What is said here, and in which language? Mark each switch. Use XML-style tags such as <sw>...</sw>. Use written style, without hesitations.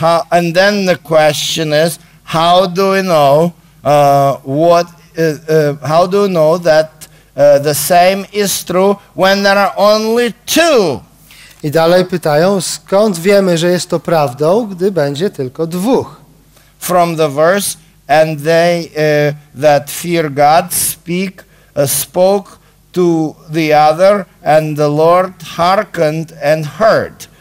<en>And then the question is, how do we know what how do we know that the same is true when there are only 2?</en> <pl>I dalej pytają, skąd wiemy, że jest to prawdą, gdy będzie tylko 2?</pl> <en>From the verse, and they that fear God spoke to the other, and the Lord hearkened and heard.</en>